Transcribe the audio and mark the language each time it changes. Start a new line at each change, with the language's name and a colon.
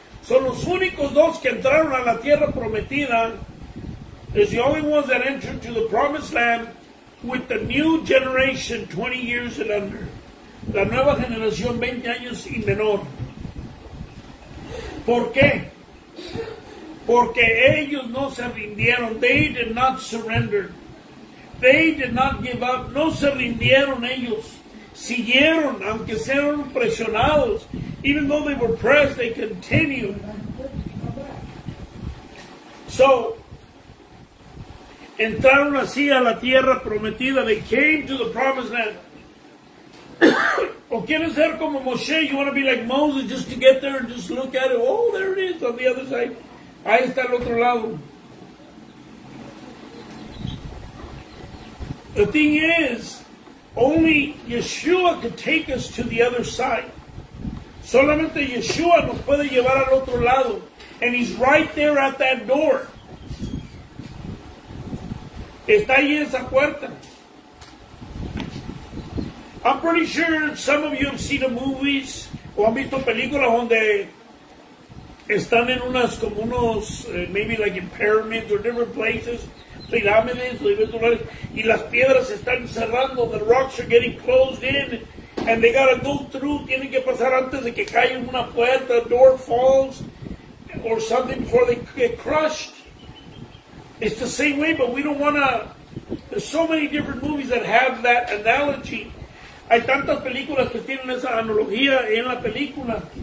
Spanish: Son los únicos dos que entraron a la tierra prometida.
English: It's the only ones that entered to the promised land with the new generation 20 years and under.
Spanish: La nueva generación 20 años y menor. ¿Por qué? Porque ellos no se rindieron.
English: They did not surrender. They did not give up.
Spanish: No se rindieron ellos. Siguieron, aunque sean presionados.
English: Even though they were pressed, they continued.
Spanish: So, entraron así a la tierra prometida.
English: They came to the promised land.
Spanish: ¿O quieres ser como Moshe?
English: You want to be like Moses just to get there and just look at it. Oh, there it is on the other side.
Spanish: Ahí está el otro lado.
English: The thing is, only Yeshua could take us to the other side.
Spanish: Solamente Yeshua nos puede llevar al otro lado.
English: And he's right there at that door.
Spanish: Está ahí esa puerta.
English: I'm pretty sure some of you have seen the movies
Spanish: o han visto películas donde están en unas como unos
English: maybe like in pyramids or different places,
Spanish: pirámides o diferentes lugares, y las piedras están cerrando,
English: the rocks are getting closed in, and they gotta go through,
Spanish: tienen que pasar antes de que caiga una puerta,
English: a door falls, or something before they get crushed. It's the same way, but we don't wanna. There's so many different movies that have that analogy.
Spanish: Hay tantas películas que tienen esa analogía en la película.